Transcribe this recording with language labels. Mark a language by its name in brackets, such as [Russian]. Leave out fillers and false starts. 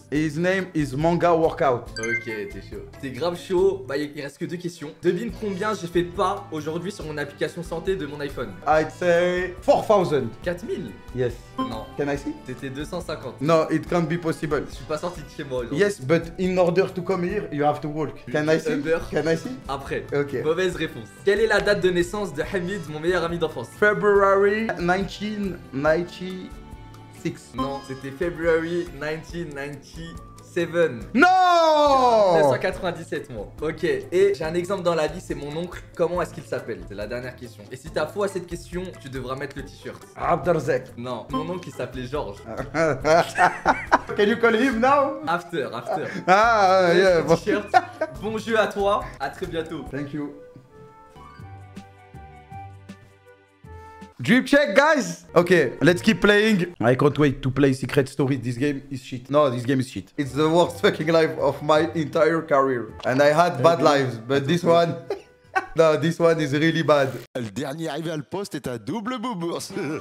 [English] His name is Manga Workout. [French] Ok, t'es chaud. T'es grave chaud. Bah, il reste que 2 questions. Devine combien j'ai fait de pas aujourd'hui sur mon application santé de mon iPhone. [English] I'd say 4000. [French] 4000? [English] Yes. [French] Non. [English] Can I see? [French] T'étais 250. [English] No, it can't be possible. [French] Je suis pas sorti de chez moi aujourd'hui. [English] Yes, but in order to come here, you have to walk. Can I see? Uber. Can I see? [French] Après. Ok. Mauvaise réponse. Quelle est la date de naissance de Hamid, mon meilleur ami d'enfance? [English] February 1990. [French] Non, c'était [English] February 1997. [French] Non! 1997, moi. Ok, et j'ai un exemple dans la vie, c'est mon oncle. Comment est-ce qu'il s'appelle? C'est la dernière question. Et si t'as faux à cette question, tu devras mettre le t-shirt. Abdelzek. Non, mon oncle il s'appelait Georges. [English] Can you call him now? After. Yeah, [French] t-shirt. Bon jeu à toi, à très bientôt. [English] Thank you. Dream check, guys. Okay, let's keep playing. I can't wait to play Secret Story. This game is shit. No, this game is shit. It's the worst fucking life of my entire career. And I had bad lives, but this one... No, this one is really bad. [French] Le dernier arrivé à le poste est un double boubours.